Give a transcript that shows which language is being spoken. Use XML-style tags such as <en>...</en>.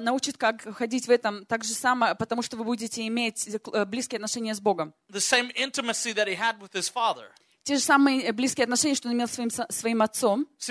<ru>научит, как ходить в этом так же самое, потому что вы будете иметь близкие отношения с Богом.</ru> <en>The same intimacy that he had with his father.</en> <ru>Те же самые близкие отношения, что он имел с своим отцом.</ru>